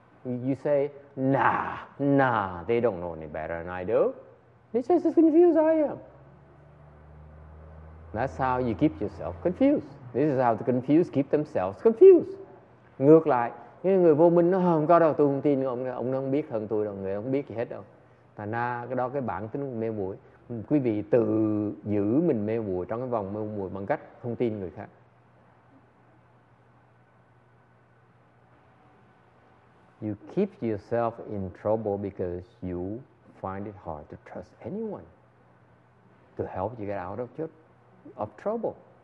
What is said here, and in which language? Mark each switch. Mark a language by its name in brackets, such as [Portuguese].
[English] You say, nah, they don't know any better than I do. They're just as confused as I am. That's how you keep yourself confused. This is how the confused keep themselves confused. [Vietnamese] Ngược lại, cái người vô minh nó không có đâu, tôi không tin ông không biết hơn tôi đâu, người không biết gì hết đâu. Thà na cái đó cái bản tính mê muội. Quý vị tự giữ mình mê muội trong cái vòng mê muội bằng cách không tin người khác. [English] You keep yourself in trouble because you find it hard to trust anyone to help you get out of your of trouble.